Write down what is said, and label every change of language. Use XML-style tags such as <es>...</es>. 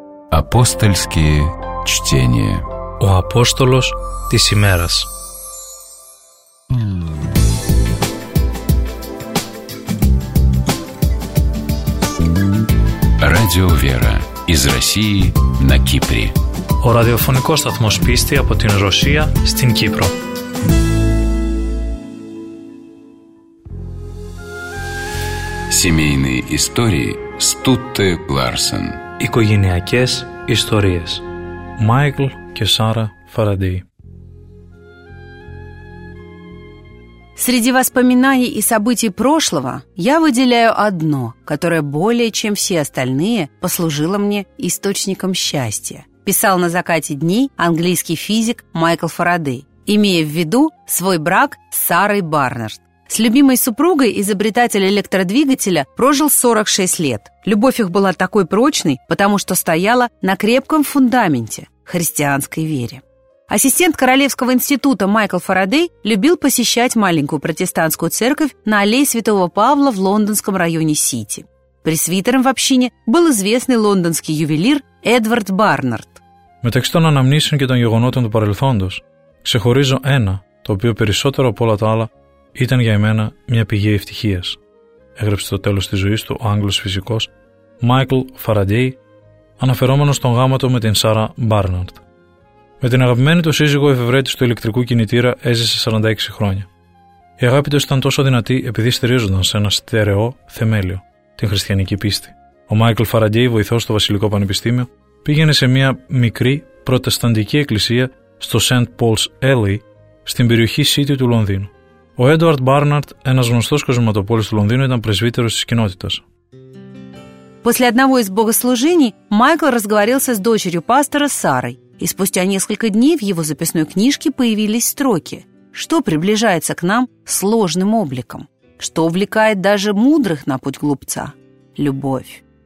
<ru>Апостольские чтения.</ru> <el>О апостолос тис имерас.</el> <ru>Радио Вера из России на Кипре.</ru> <el>Ο ραδιοφωνικός σταθμός πίστη από την Ρωσία στην Κύπρο.</el> <ru>Семейные истории Стутте Ларсен.</ru> <el>Οικογενειακές ιστορίες. Μάικλ και Σάρα Φαραντέι.</el> <ru>Среди воспоминаний и событий прошлого я выделяю одно, которое более чем все остальные послужило мне источником счастья. Писал на закате дней английский физик Майкл Фарадей, имея в виду свой брак с Сарой Барнард. С любимой супругой изобретатель электродвигателя прожил 46 лет. Любовь их была такой прочной, потому что стояла на крепком фундаменте христианской вере. Ассистент Королевского института Майкл Фарадей любил посещать маленькую протестантскую церковь на аллее Святого Павла в лондонском районе Сити. Пресвитером в общине был известный лондонский ювелир Эдвард Барнард.</ru> <el>Μεταξύ των αναμνήσεων και των γεγονότων του παρελθόντος, ξεχωρίζω ένα, το οποίο περισσότερο από όλα τα άλλα ήταν για εμένα μια πηγή ευτυχίας. Έγραψε το τέλος της ζωής του ο Άγγλος φυσικός Μάικλ Φαραντέι, αναφερόμενος στον γάμο του με την Σάρα Μπάρναρντ. Με την αγαπημένη του σύζυγο, εφευρέτης του ηλεκτρικού κινητήρα, έζησε 46 χρόνια. Η αγάπη του ήταν τόσο δυνατή επειδή στηρίζονταν σε ένα στερεό θεμέλιο, την χριστιανική πίστη. Ο Μάικλ Φαραντέι, βοηθός στο Βασιλικό Πανεπιστήμιο, πήγαινε σε μια μικρή προτεσταντική εκκλησία στο St. Paul's Alley στην περιοχή City του Λονδίνου. Ο Έντουαρντ Μπάρναρντ, ένας γνωστός κοσμηματοπόλης του Λονδίνου, ήταν πρεσβύτερος της κοινότητας.</el> <ru>После одного из богослужений Майкл разговорился с дочерью пастора Сарой, и спустя несколько дней в его записной книжке появились строки: «Что приближается к нам сложным обликом? Что увлекает даже мудрых на путь глупца? Любовь».</ru>